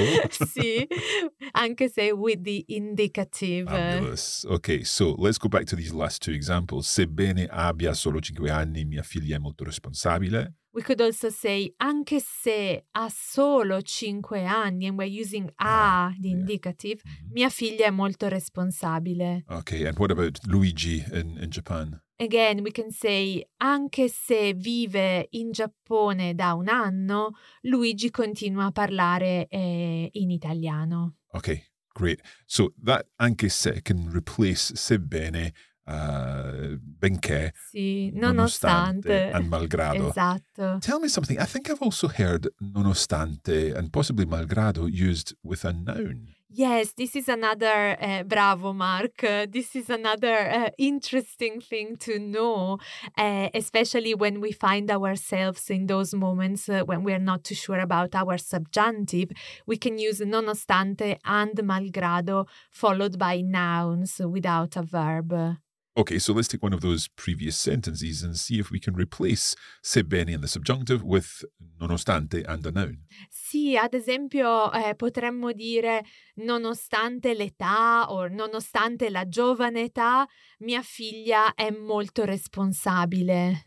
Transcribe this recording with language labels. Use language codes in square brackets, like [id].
[en] Sì, anche se with the indicative. Fabulous. Okay, so let's go back to these last two examples. [it] Sebbene abbia solo 5 anni, mia figlia è molto responsabile. [en] We could also say [it] anche se ha solo 5 anni, [en] and we're using the indicative, [it] mia figlia è molto responsabile. [en] Okay, and what about Luigi in Japan? Again, we can say, [it] anche se vive in Giappone da un anno, Luigi continua a parlare in italiano. [en] Okay, great. So that anche se can replace sebbene, benché, [it] sì, nonostante, [en] and malgrado. [it] Esatto. [en] Tell me something. I think I've also heard nonostante and possibly malgrado used with a noun. Yes, this is another, bravo Mark, this is another interesting thing to know, especially when we find ourselves in those moments when we are not too sure about our subjunctive, we can use nonostante and malgrado followed by nouns without a verb. Okay, so let's take one of those previous sentences and see if we can replace sebbene in the subjunctive with nonostante and a noun. [it] Sì, ad esempio potremmo dire nonostante l'età o nonostante la giovane età, mia figlia è molto responsabile.